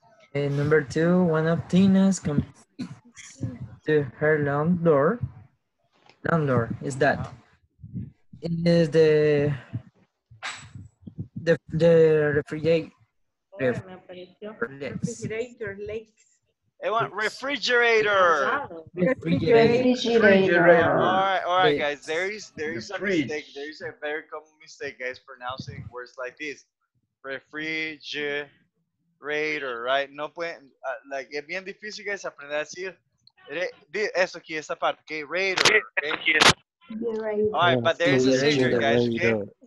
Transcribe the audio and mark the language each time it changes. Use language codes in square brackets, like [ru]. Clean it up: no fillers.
[en] Okay, number two, one of Tina's complaints to her landlord is that is the refrigerator leaks. They want refrigerator. Refrigerator. All right, all right, guys. There is a mistake. There is a very common mistake, guys, pronouncing words like this. Refrigerator, right? [es] No pueden, like, es bien difícil, guys, aprender a decir eso aquí, esa parte, okay? [en] Raider, okay? Right. All right, yes, but there is a secret, guys, okay?